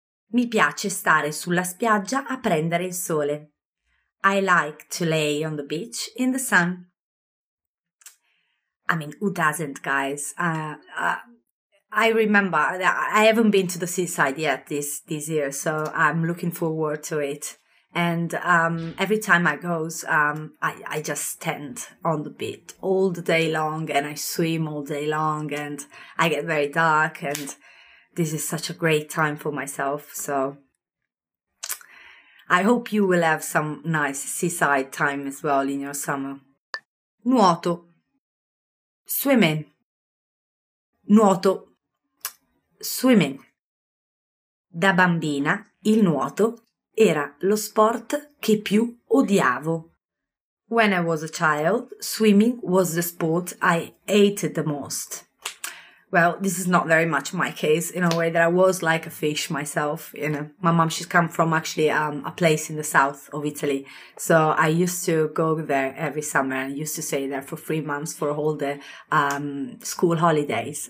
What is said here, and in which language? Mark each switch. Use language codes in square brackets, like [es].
[it] Mi piace stare sulla spiaggia a prendere il sole. [en] I like to lay on the beach in the sun. I mean, who doesn't, guys? I remember, I haven't been to the seaside yet this year, so I'm looking forward to it. And every time I go, I just stand on the beach all the day long and I swim all day long and I get very dark and this is such a great time for myself, so I hope you will have some nice seaside time as well in your summer. [it] Nuoto. Swimming. Nuoto. Swimming. Da bambina, il nuoto era lo sport che più odiavo. [en] When I was a child, swimming was the sport I hated the most. Well, this is not very much my case, in a way that I was like a fish myself, you know. My mom, she's come from actually a place in the south of Italy. So I used to go there every summer and used to stay there for 3 months for all the school holidays.